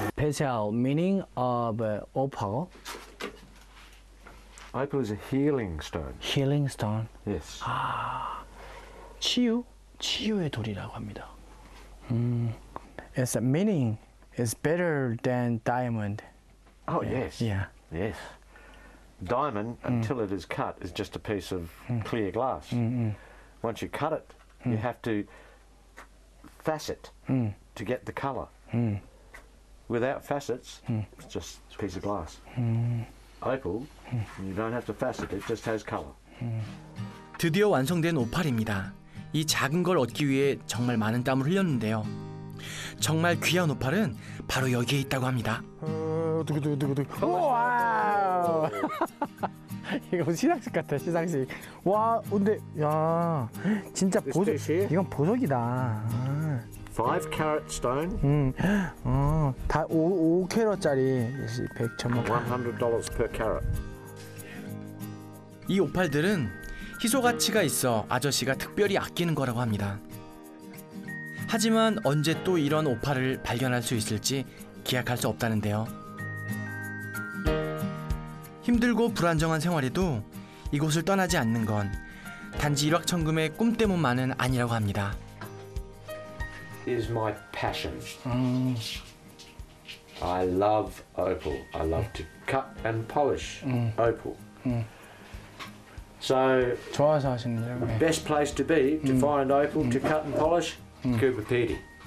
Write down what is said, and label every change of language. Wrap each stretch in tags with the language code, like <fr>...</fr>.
<en>Special meaning of opal. Opal is a healing stone. Healing stone. Yes.</en> <ko>아, 치유, 치유의 돌이라고 합니다.</ko> <en>Its meaning is better than diamond. Oh yeah. Yes. Yeah. Yes. Diamond, until it is cut, is just a piece of clear glass. Once you cut it, you have to facet to get the color. Without facets, it's just a piece of glass. Opal, you don't have to facet, it just has color.</en> <ko>드디어 완성된 오팔입니다. 이 작은 걸 얻기 위해 정말 많은 땀을 흘렸는데요. 정말 귀한 오팔은 바로 여기에 있다고 합니다. 와! 이거 시상식 같아, 시상식. 와, 근데 야, 진짜 보석. 이건 보석이다. 5캐럿 스톤. 다 5캐럿짜리. 100,000원.</ko> <en>$100 per carat.</en> <ko>이 오팔들은 희소 가치가 있어 아저씨가 특별히 아끼는 거라고 합니다. 하지만 언제 또 이런 오팔을 발견할 수 있을지 기약할 수 없다는데요. 힘들고 불안정한 생활에도 이곳을 떠나지 않는 건 단지 일확천금의 꿈 때문만은 아니라고 합니다.</ko> <en>Is my passion. I love opal. I love to cut and polish opal. So,</en> <ko>좋아서 하시는데요.</ko> <en>Best place to be to find opal to cut and polish, Cooper Petey.</en>